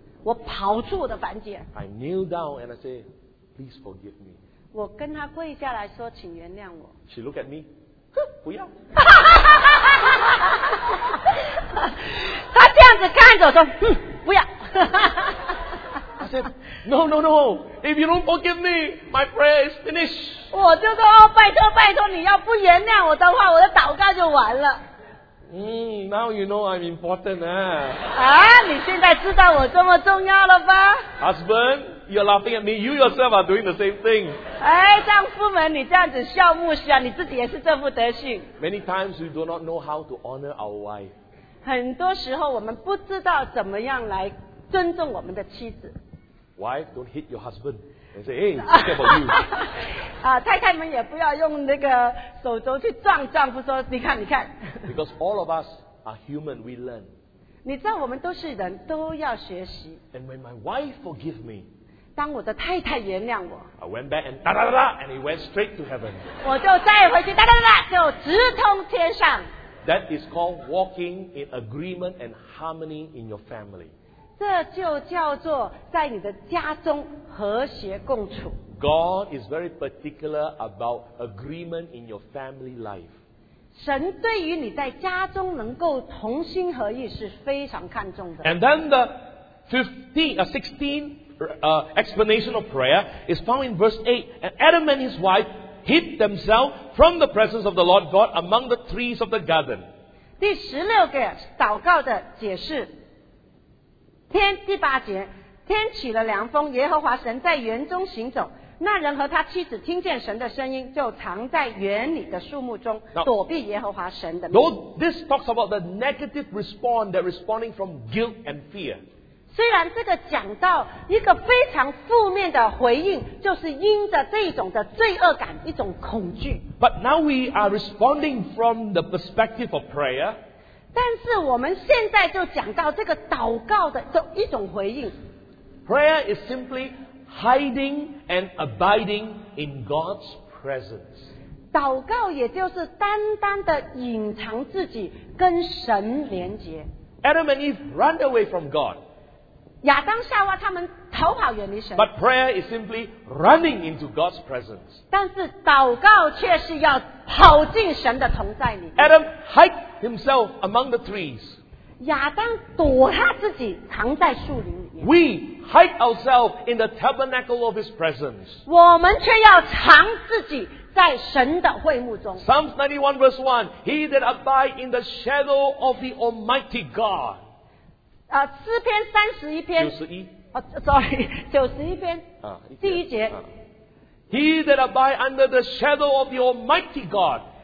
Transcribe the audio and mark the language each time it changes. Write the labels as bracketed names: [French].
[Chinese] 我跑出我的房间。 [English] I kneel down and I say. Please forgive me. [Chinese] 我跟他跪下来说，请原谅我。 [English] She looked at me. [Chinese] 不要。他这样子看着我说，不要。 [English] I said, No, no, no. If you don't forgive me, my prayer is finished. [Chinese] 我就说，哦，拜托，拜托，你要不原谅我的话，我的祷告就完了。 [English] Now you know I'm important, huh? [Chinese] 啊，你现在知道我这么重要了吧 [English] ？Husband. You're laughing at me. You yourself are doing the same thing. [Chinese] 哎，丈夫们，你这样子笑牧师啊，你自己也是这副德行。 [English] Many times we do not know how to honor our wife. [Chinese] 很多时候我们不知道怎么样来尊重我们的妻子。 [English] Wife, don't hit your husband. And say, hey, care for you. [Chinese] 啊，太太们也不要用那个手肘去撞丈夫，说你看，你看。 [English] Because all of us are human, we learn. [Chinese] 你知道我们都是人，都要学习。 [English] And when my wife forgives me. [Chinese] 当我的太太原谅我 [English] I went back and da da da da and he went straight to heaven [Chinese] 我就再回去 da da da da 就直通天上 [English] That is called walking in agreement and harmony in your family [Chinese] 这就叫做在你的家中和谐共处 [English] God is very particular about agreement in your family life [Chinese] 神对于你在家中能够同心合意是非常看重的 [English] And then the 16explanation of prayer is found in verse 8 and Adam and his wife hid themselves from the presence of the Lord God among the trees of the garden [Chinese] 第十六个祷告的解释天第八节天起了凉风耶和华神在园中行走那人和他妻子听见神的声音就藏在园里的树木中 [English] Now, [Chinese] 躲避耶和华神的 [English] 命 Though this talks about the negative response they're responding from guilt and fear [Chinese] 虽然这个讲到一个非常负面的回应就是因着这种的罪恶感一种恐惧 [English] But now we are responding from the perspective of prayer [Chinese] 但是我们现在就讲到这个祷告的一种回应 [English] Prayer is simply hiding and abiding in God's presence [Chinese] 祷告也就是单单的隐藏自己跟神连接 [English] Adam and Eve ran away from God [Chinese] 亚当夏娃他们逃跑远离神 [English] But prayer is simply running into God's presence [Chinese] 但是祷告却是要跑进神的同在里 [English] Adam hide himself among the trees [Chinese] 亚当躲他自己藏在树林里面 [English] We hide ourselves in the tabernacle of his presence [Chinese] 我们却要藏自己在神的会幕中 [English] Psalms 91 verse 1 He that abide in the shadow of the Almighty God [Chinese] 诗篇三十一篇九十一九十一篇第一节、 [English] He that abide under the shadow of the Almighty God